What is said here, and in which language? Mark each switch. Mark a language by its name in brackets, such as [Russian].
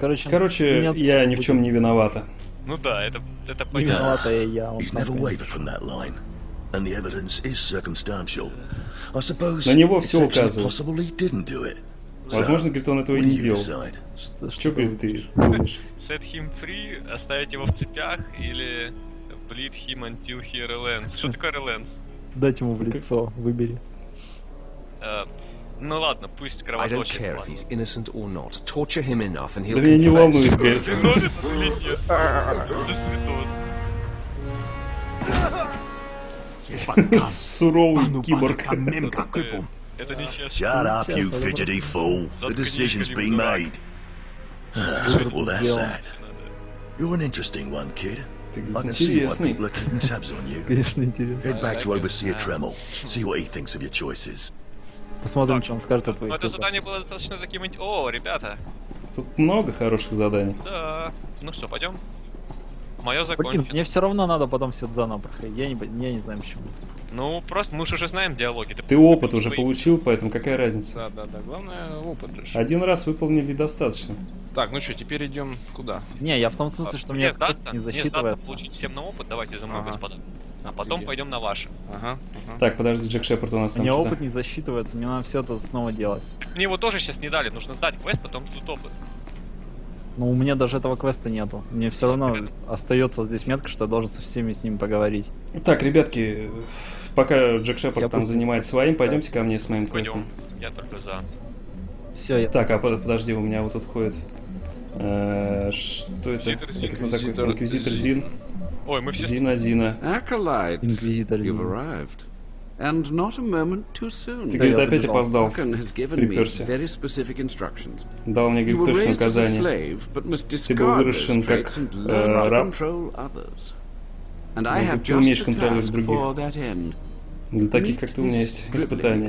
[Russian] Короче, я ни в чем не виновата. Ну да, это понятно. [English] He's never wavered from that line, and the evidence is circumstantial. I suppose. [Russian] На него все указывает. Возможно, говорит, он этого и не делал. Что говорит ты? [English] Set him free, [Russian] оставить его в цепях или [English] bleed him until he relents? [Russian] Что такое relents? Дать ему в лицо, выбери. Ну ладно, пусть кровоточит. [English] I don't care if he's innocent or not. Torture him enough and he'll confess. [Russian] Да меня не волнует, Герц. Суровый киборг. Это несчастный. [English] Shut up, you fidgety fool. The decision's been made. Well, that's that. You're an interesting one, kid. I can see what people are keeping tabs on you. Head back to Overseer Tremel. See what he thinks of your choices. [Russian] Посмотрим, так, что он скажет о твоих. Это задание было достаточно таким... О, ребята! Тут много хороших заданий. Да. Ну что, пойдем? Мое закончено. Мне все равно надо потом все заново проходить. Я не знаю, почему. Ну, просто мы же уже знаем диалоги. Ты опыт уже получил, поэтому какая разница? Да. Главное, опыт же. Один раз выполнили достаточно. Так, ну что, теперь идем куда? Не, я в том смысле, что мне сдастся, не засчитывается. Мне сдастся получить всем на опыт, давайте за мной, ага. Господа. А потом пойдем на ваши. Ага. Так, подожди, Джек Шепард у нас там. У меня опыт не засчитывается, мне надо все это снова делать. Мне его тоже сейчас не дали, нужно сдать квест, потом тут опыт. Ну, у меня даже этого квеста нету. Мне все равно остается вот здесь метка, что я должен со всеми с ним поговорить. Так, ребятки, пока Джек Шепард там занимается своим, пойдемте ко мне с моим квестом. Я только за. Все, я. Так, а подожди, у меня вот тут ходит. Что это? Инквизитор Зин. Ой, мы все... Зина. [English] Acolyte, Инквизитор Зина. You've arrived. And not a moment too soon. [Russian] Ты, говорит, опять опоздал. Приперся. Дал мне, говорит, точное указание. Ты был выращен как раб. И ты умеешь контролировать других. Для таких, как ты, у меня есть испытание.